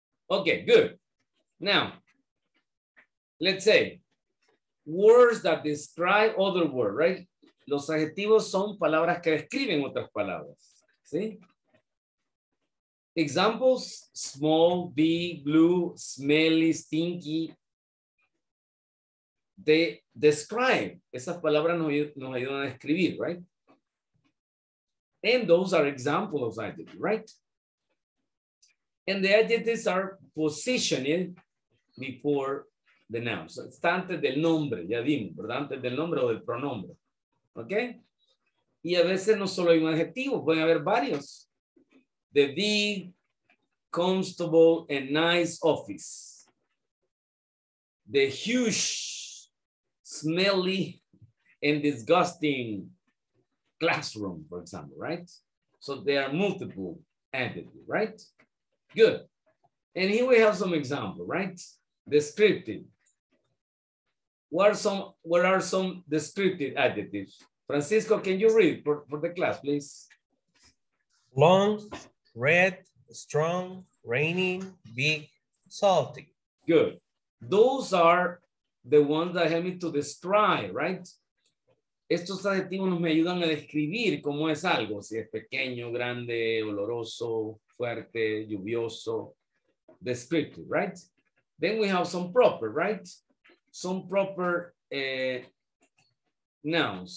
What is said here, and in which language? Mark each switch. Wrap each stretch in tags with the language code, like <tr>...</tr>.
<en>Okay, good. Now, let's say words that describe other words, right?</en> <es>Los adjetivos son palabras que describen otras palabras, ¿sí?</es> <en>Examples, small, big, blue, smelly, stinky. They describe.</en> <es>Esas palabras nos ayudan a escribir, right?</es> <en>And those are examples of adjectives, right? And the adjectives are positioned before the noun. So it's</en> <es>antes del nombre, ya vimos, ¿verdad? Antes del nombre o del pronombre. Okay? Y a veces no solo hay un adjetivo, pueden haber varios.</es> <en>The big, comfortable and nice office. The huge, smelly and disgusting classroom, for example, right? So there are multiple adjectives, right? Good. And here we have some examples, right? Descriptive. What are some descriptive adjectives? Francisco, can you read for the class, please? Long, red, strong, raining, big, salty. Good. Those are the ones that help me to describe, right?</en> <es>Estos adjetivos me ayudan a describir cómo es algo. Si es pequeño, grande, oloroso, fuerte, lluvioso. Descriptive, right?</es> <en>Then we have some proper, right? Some proper nouns.</en>